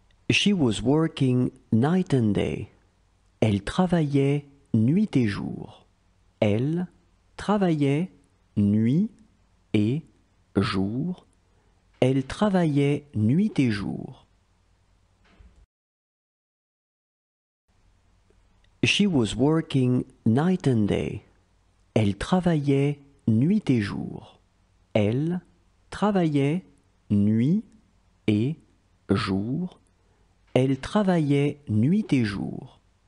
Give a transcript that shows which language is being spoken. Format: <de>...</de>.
<en>She was working night and day.</en> <fr>Elle travaillait nuit et jour. Elle travaillait nuit et jour. Elle travaillait nuit et jour.</fr> <en>She was working night and day.</en> <fr>Elle travaillait nuit et jour. Elle travaillait nuit et jour. Elle travaillait nuit et jour.</fr>